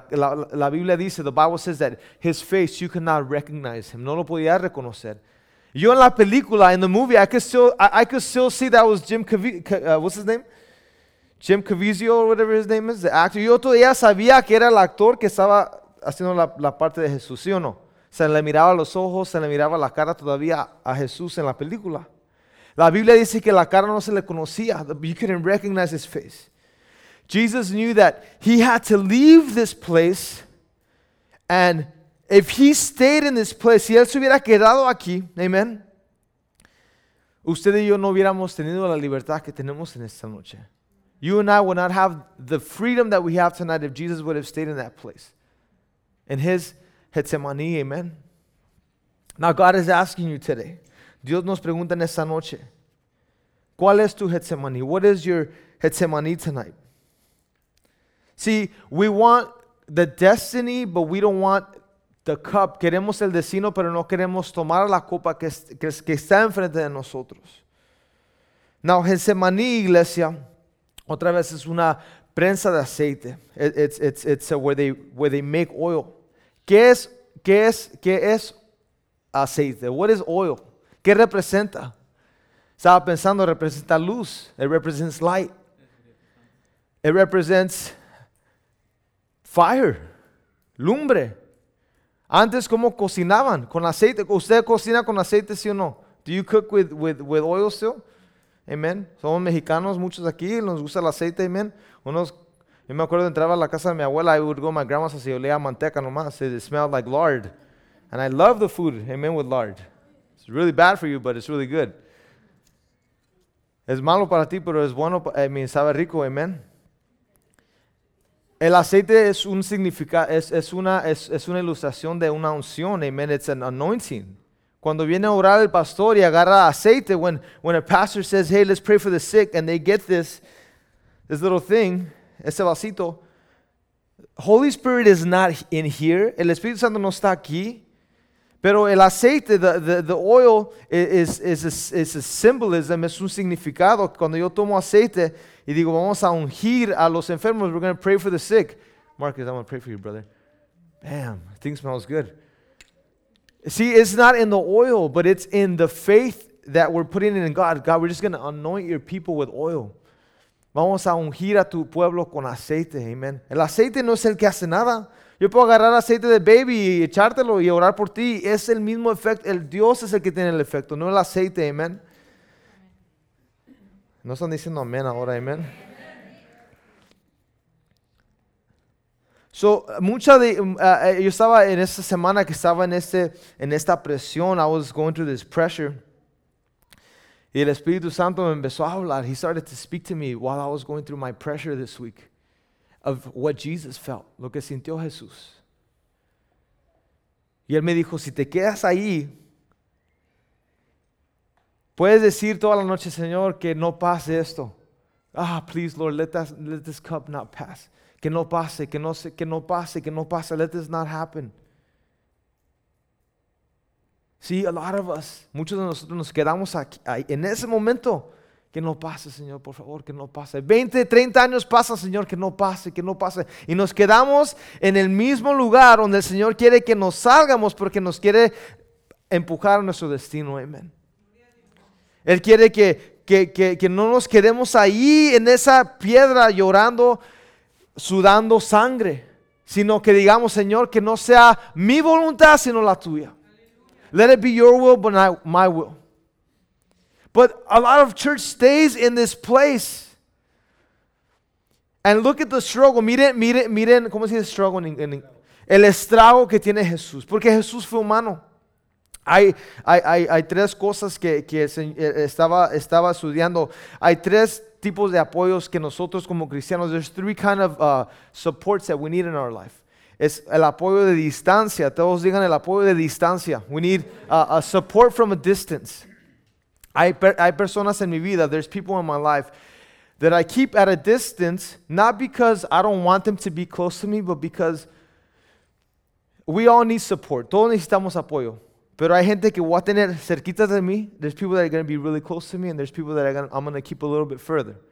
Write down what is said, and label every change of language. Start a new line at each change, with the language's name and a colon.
Spanish: La Biblia dice,
English: the Bible says that his face, you cannot recognize him.
Spanish: No lo podía reconocer. Yo en la película,
English: in the movie, I could still see that was Jim Jim Caviezel or whatever his name is, the actor.
Spanish: Yo todavía sabía que era el actor que estaba haciendo la parte de Jesús, ¿sí o no? Se le miraba los ojos, se le miraba la cara todavía a Jesús en la película. La Biblia dice que la cara no se le conocía.
English: You couldn't recognize his face. Jesus knew that he had to leave this place. And if he stayed in this place,
Spanish: si él se hubiera quedado aquí, amen, usted y yo no hubiéramos tenido la libertad que tenemos en esta noche.
English: You and I would not have the freedom that we have tonight if Jesus would have stayed in that place. In his Getsemaní, amen. Now God is asking you today.
Spanish: Dios nos pregunta en esta noche, ¿cuál es tu Getsemaní?
English: What is your Getsemaní tonight? See, we want the destiny, but we don't want the cup.
Spanish: Queremos el destino, pero no queremos tomar la copa que está enfrente de nosotros. Now, Getsemaní, iglesia, otra vez es una prensa de aceite.
English: It's where they make oil.
Spanish: ¿Qué es aceite?
English: What is oil?
Spanish: ¿Qué representa? Estaba pensando, representa luz.
English: It represents light. It represents fire. Lumbre.
Spanish: Antes, ¿cómo cocinaban? ¿Con aceite? ¿Usted cocina con aceite, sí o no?
English: Do you cook with oil still? Amen.
Spanish: Somos mexicanos, muchos aquí, nos gusta el aceite, amen. Yo me acuerdo, entraba a la casa de mi abuela,
English: I would go to my grandma's house,
Spanish: y olía manteca nomás,
English: it smelled like lard. And I love the food, amen, with lard. It's really bad for you, but it's really good.
Spanish: Es malo para ti, pero es bueno, sabe rico, amen. El aceite es un significado, es una ilustración de una unción, amen,
English: it's an anointing.
Spanish: Cuando viene a orar el pastor y agarra aceite,
English: when a pastor says, hey, let's pray for the sick, and they get this little thing,
Spanish: ese vasito,
English: Holy Spirit is not in here,
Spanish: el Espíritu Santo no está aquí, pero el aceite,
English: the oil, is a symbolism,
Spanish: es un significado. Cuando yo tomo aceite y digo, vamos a ungir a los enfermos,
English: we're going to pray for the sick. Marcus, I'm going to pray for you, brother. Bam, thing smells good. See, it's not in the oil, but it's in the faith that we're putting in God. God, we're just going to anoint your people with oil.
Spanish: Vamos a ungir a tu pueblo con aceite, amen. El aceite no es el que hace nada. Yo puedo agarrar aceite de baby y echártelo y orar por ti. Es el mismo efecto. El Dios es el que tiene el efecto, no el aceite, amen. No están diciendo amén ahora, amen. So, mucha de, yo estaba en esta semana que estaba en esta presión,
English: I was going through this pressure,
Spanish: y el Espíritu Santo me empezó a hablar,
English: he started to speak to me while I was going through my pressure this week, of what Jesus felt,
Spanish: lo que sintió Jesús. Y él me dijo, si te quedas ahí, puedes decir toda la noche, Señor, que no pase esto.
English: Ah, please, Lord, let this cup not pass.
Spanish: Que no pase, que no pase,
English: let this not happen. See, a lot of us,
Spanish: muchos de nosotros nos quedamos aquí, en ese momento, que no pase, Señor, por favor, que no pase. 20, 30 años pasa, Señor, que no pase. Y nos quedamos en el mismo lugar donde el Señor quiere que nos salgamos porque nos quiere empujar a nuestro destino, amen. Él quiere que no nos quedemos ahí en esa piedra llorando, sudando sangre, sino que digamos, Señor, que no sea mi voluntad, sino la tuya.
English: Let it be your will, but not my will. But a lot of church stays in this place. And look at the struggle.
Spanish: Miren, ¿cómo se dice struggle? El estrago que tiene Jesús. Porque Jesús fue humano. Hay tres cosas que estaba estudiando. Hay tres tipos de apoyos que nosotros como cristianos,
English: there's three kind of supports that we need in our life.
Spanish: Es el apoyo de distancia. Todos digan el apoyo de distancia.
English: We need a support from a distance.
Spanish: Hay personas en mi vida,
English: there's people in my life that I keep at a distance, not because I don't want them to be close to me, but because we all need support.
Spanish: Todos necesitamos apoyo. Pero hay gente que voy a tener cerquita de mí.
English: There's people that are going to be really close to me, and there's people that I'm going to keep a little bit further.